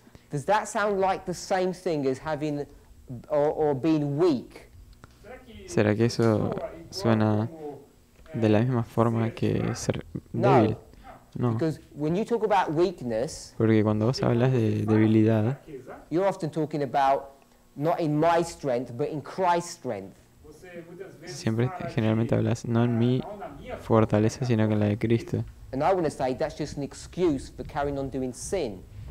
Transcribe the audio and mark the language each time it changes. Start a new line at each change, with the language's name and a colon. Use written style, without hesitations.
English: Does that sound like the same thing as having or being weak?
Spanish: ¿Será que eso suena de la misma forma que ser débil?
English: No.
Spanish: No.
English: Because when you talk about weakness,
Spanish: porque cuando vos hablas de debilidad,
English: you're often talking about not in my strength, but in Christ's strength.
Spanish: Siempre, generalmente hablas no en mi fortaleza, sino en la de Cristo.
English: And I want to say that's just an excuse for carrying on doing sin.